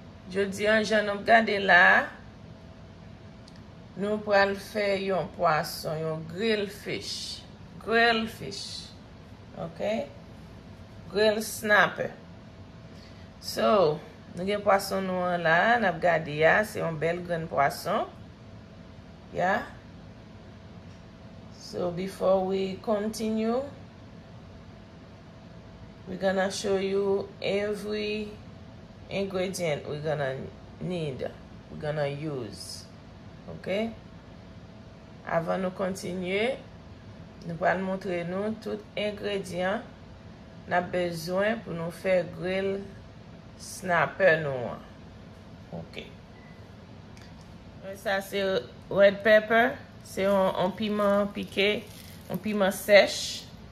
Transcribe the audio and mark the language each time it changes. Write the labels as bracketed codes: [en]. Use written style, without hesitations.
[fr] Je dis en j'en ai regardé là. Nous pourrons faire un poisson, un grill fish. [en] Grill fish. OK? Grill snapper. [fr] So, nous avons un poisson noir là, nous avons regardé là, c'est un bel grand poisson. [en] Yeah? So before we continue, we're gonna show you every ingredient we're gonna need, we're gonna use. Okay? [fr] Avant de continuer, nous allons montrer nous tous les ingrédients qu'on a besoin pour nous faire grill snapper noir. [en] Okay. [fr] Ça c'est red pepper. C'est un piment piqué, un piment sèche.